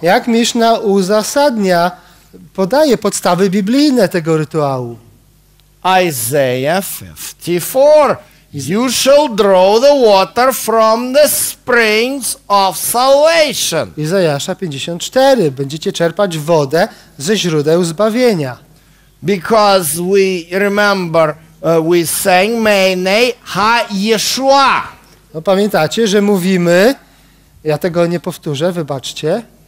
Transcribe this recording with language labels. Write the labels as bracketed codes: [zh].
[pl] Jak Mishnah uzasadnia, podaje podstawy biblijne tego rytuału? [en] Isaiah 54. You shall draw the water from the springs of salvation. [pl] Izajasza 54. Będziecie czerpać wodę ze źródeł zbawienia. [en] Because we remember we sang [he] Meinei HaYeshua. [pl] No pamiętacie, że mówimy, ja tego nie powtórzę, wybaczcie.